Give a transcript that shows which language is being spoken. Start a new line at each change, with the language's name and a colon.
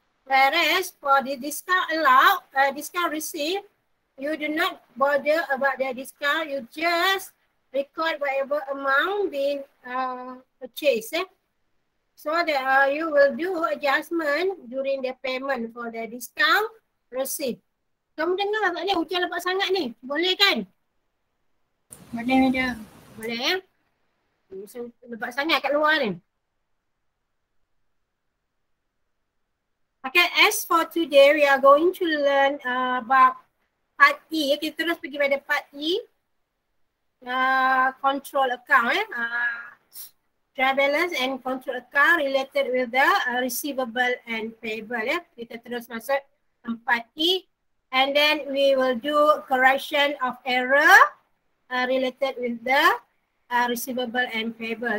English: Whereas for the discount allowed, discount received, you do not bother about the discount. You just record whatever amount being purchased. So that you will do adjustment during the payment for the discount received.
Malay: Kamu dengar agaknya hujan lebat sangat ni. Boleh kan? Boleh, Madam. Boleh, ya? Lebat sangat kat luar ni.
English: Okay, as for today, we are going to learn about part E.
Malay: Kita terus pergi pada part E.
English: Control account. Travelers and control account related with the receivable and payable.
Malay: Kita terus masuk part E.
English: And then we will do correction of error related with the receivable and payable.